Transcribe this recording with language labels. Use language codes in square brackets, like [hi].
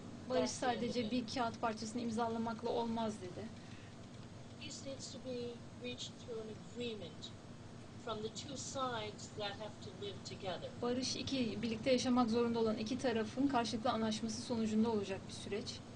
[tr] barış sadece bir kağıt parçasını imzalamakla olmaz dedi. [en] Peace needs to be reached through an agreement from the two sides that have to live together. [tr] Barış iki birlikte yaşamak zorunda olan iki tarafın karşılıklı anlaşması sonucunda olacak bir süreç.